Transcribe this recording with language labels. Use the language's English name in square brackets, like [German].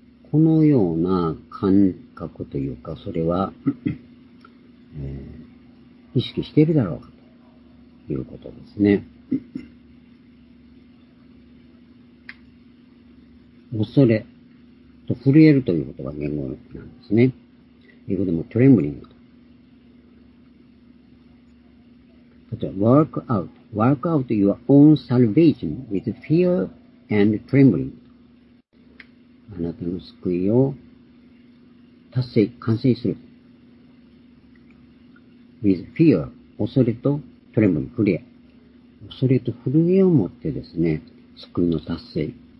[Japanese] このような感覚というか、それは、意識しているだろうか、ということですね。恐れと震えるということが言語なんですね。英語でもトレンブリングと。例えば、 [English] work out your own salvation with fear and trembling. [Japanese] あなたの救いを達成、完成する。 with fear, 恐れとトレンブリング、震え。恐れと震えを持ってですね、救いの達成。